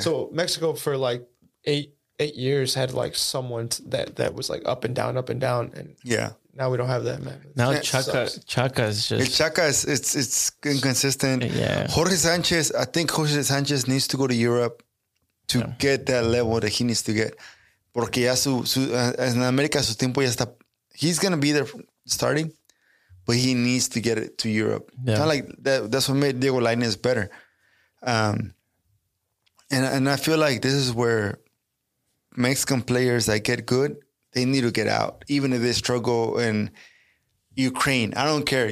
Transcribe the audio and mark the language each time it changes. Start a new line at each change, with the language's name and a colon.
English: So Mexico for like eight years had like someone that was like up and down. And yeah. Now we don't have that, man. Now Chaka is it's inconsistent. Yeah. Jorge Sanchez, I think Jorge Sanchez needs to go to Europe to get that level that he needs to get.
Spanish: Porque ya en America su tiempo ya está.
English: He's going to be there starting, but he needs to get it to Europe. Yeah. Kind of like that's what made Diego Lainez better. And I feel like this is where Mexican players that get good, they need to get out, even if they struggle in Ukraine. I don't care.